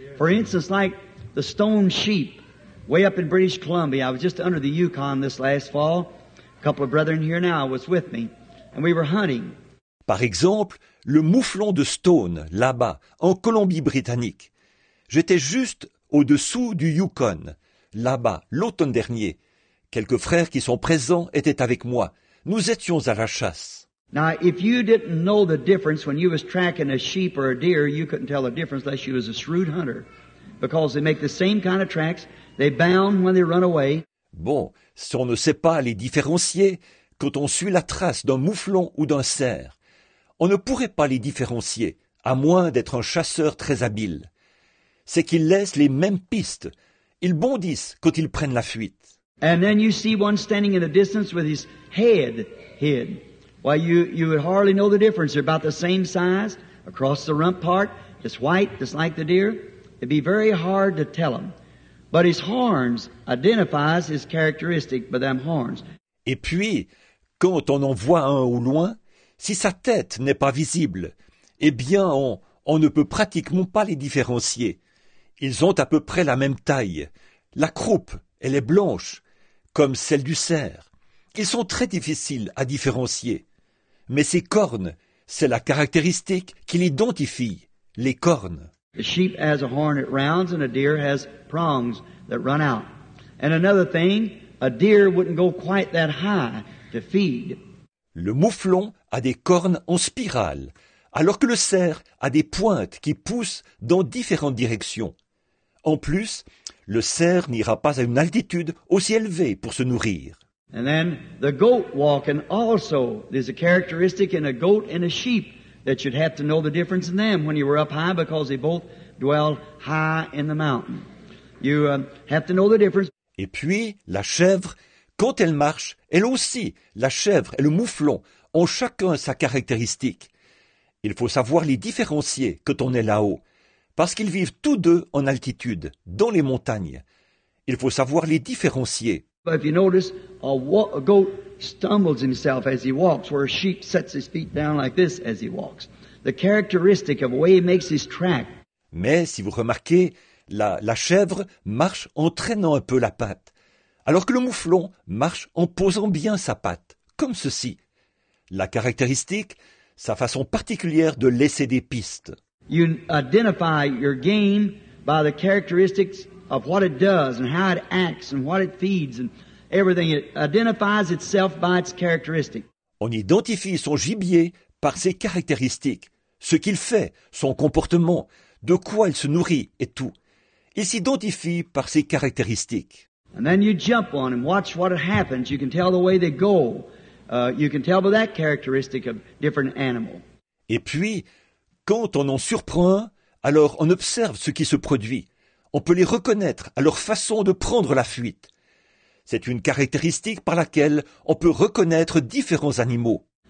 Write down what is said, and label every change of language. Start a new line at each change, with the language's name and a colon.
English: For instance, like the stone sheep, way up in British Columbia. I was just under the Yukon this last fall. A couple of brethren here now was with me, and we were hunting.
French: Par exemple, le mouflon de Stone, là-bas, en Colombie-Britannique. J'étais juste au-dessous du Yukon, là-bas, l'automne dernier. Quelques frères qui sont présents étaient avec moi. Nous étions à la chasse.
English: Now, if you didn't know the difference when you was tracking a sheep or a deer, you couldn't tell the difference unless you was a shrewd hunter, because they make the same kind of tracks. They bound when they run away.
French: Bon, si on ne sait pas les différencier quand on suit la trace d'un mouflon ou d'un cerf, on ne pourrait pas les différencier, à moins d'être un chasseur très habile. C'est qu'ils laissent les mêmes pistes. Ils bondissent quand ils prennent la fuite.
English: And then you see one standing in the distance with his head hid. Why, you would hardly know the difference. They're about the same size, across the rump part, just white, just like the deer. It'd be very hard to tell them. But his horns identifies his characteristic by them horns.
French: Et puis, quand on en voit un au loin, si sa tête n'est pas visible, eh bien, on ne peut pratiquement pas les différencier. Ils ont à peu près la même taille. La croupe, elle est blanche, comme celle du cerf. Ils sont très difficiles à différencier. Mais ces cornes, c'est la caractéristique qui l'identifie, les cornes.
English: The sheep has a horn that rounds and a deer has prongs that run out. And another thing, a deer wouldn't go quite that high to feed.
French: Le mouflon a des cornes en spirale, alors que le cerf a des pointes qui poussent dans différentes directions. En plus, le cerf n'ira pas à une altitude aussi élevée pour se nourrir.
English: And then the goat walking also, there's a characteristic in a goat and a sheep that you'd have to know the difference in them when you were up high, because they both dwell high in the mountain. You have to know the difference.
French: Et puis, la chèvre, quand elle marche, elle aussi, la chèvre et le mouflon ont chacun sa caractéristique. Il faut savoir les différencier quand on est là-haut, parce qu'ils vivent tous deux en altitude, dans les montagnes. Il faut savoir les différencier.
English: But if you notice, a goat stumbles himself as he walks, where a sheep sets his feet down like this as he walks. The characteristic of the way he makes his track.
French: Mais si vous remarquez, la chèvre marche en traînant un peu la patte, alors que le mouflon marche en posant bien sa patte, comme ceci. La caractéristique, sa façon particulière de laisser des pistes.
English: You identify your game by the characteristics of what it does and how it acts and what it feeds and everything. It identifies itself by its characteristic.
French: On identifie son gibier par ses caractéristiques, ce qu'il fait, son comportement, de quoi il se nourrit et tout. Il s'identifie par ses caractéristiques.
English: And then you jump on and watch what happens. You can tell the way they go. You can tell by that characteristic of different animal.
French: Et puis, quand on en surprend un, alors on observe ce qui se produit. On peut les reconnaître à leur façon de prendre la fuite. C'est une caractéristique par laquelle on peut reconnaître différents animaux.